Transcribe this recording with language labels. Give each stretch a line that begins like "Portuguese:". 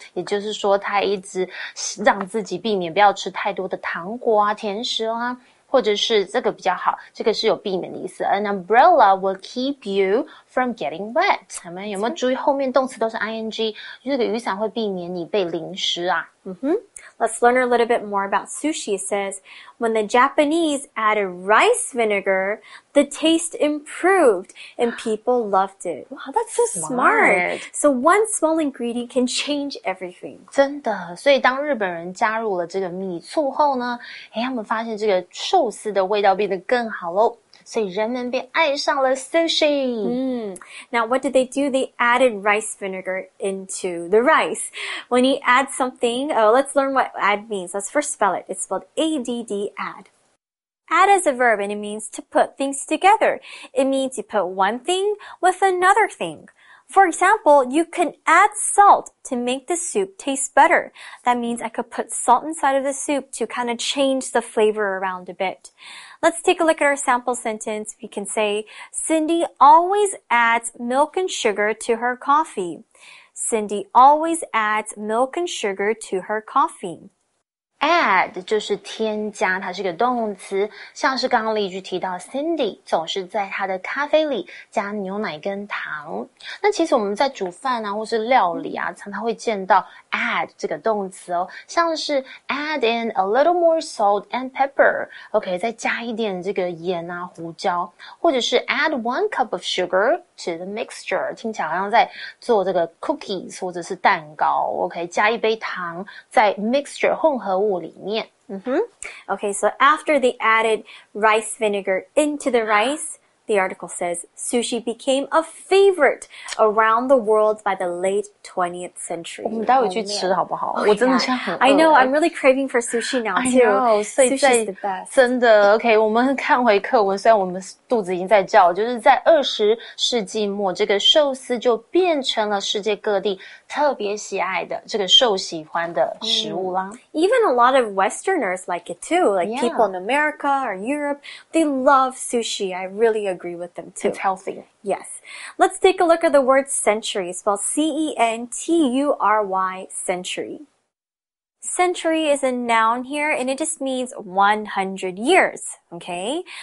Chinese: 也就是说他一直让自己避免不要吃太多的糖果啊甜食啊或者是这个比较好这个是有避免的意思。
English: An umbrella will keep you from getting wet.
Chinese: 有没有注意后面动词都是 ing, 这个雨伞会避免你被淋湿啊。 Mm-hmm.
English: Let's learn a little bit more about sushi. It says, when the Japanese added rice vinegar, the taste improved and people loved it. Wow, that's so smart. So one small ingredient can change everything.
Chinese: 真的，所以当日本人加入了这个米醋后呢，他们发现这个寿司的味道变得更好咯。所以人们便爱上了 sushi.
English: Now, what did they do? They added rice vinegar into the rice. When you add something, oh, let's learn what add means. Let's first spell it. It's spelled A-D-D, add. Add is a verb and it means to put things together. It means you put one thing with another thing. For example, you can add salt to make the soup taste better. That means I could put salt inside of the soup to kind of change the flavor around a bit. Let's take a look at our sample sentence. We can say, Cindy always adds milk and sugar to her coffee. Cindy always adds milk and sugar to her coffee.
Chinese: Add 就是添加，它是个动词。像是刚刚例句提到 Cindy 总是在她的咖啡里加牛奶跟糖。那其实我们在煮饭啊或是料理啊常常会见到 add 这个动词哦。像是
English: add in a little more salt and pepper.
Chinese: OK, 再加一点这个盐啊胡椒。或者是
English: add one cup of sugar to the mixture.
Chinese: 听起来好像在做这个 cookies 或者是蛋糕。 OK, 加一杯糖在 mixture 混合物里面。
English: Okay, so after they added rice vinegar into the rice, the article says, sushi became a favorite around the world by the late 20th century.
Chinese: 我们待会去吃好不好？ Oh, 我真的现在很饿。
English: I know, I'm really craving for sushi now too. I know, sushi is the best.
Chinese: 真的 ,OK, 我们看回课文，虽然我们肚子已经在叫，就是在20世纪末，这个寿司就变成了世界各地特别喜爱的这个受喜欢的食物啦。
English: Even a lot of Westerners like it too, like yeah. people in America or Europe, they love sushi. I really agree with them too. It's healthy. Yes. Let's take a look at the word century, spelled C-E-N-T-U-R-Y, century. Century is a noun here, and it just means 100 years, okay?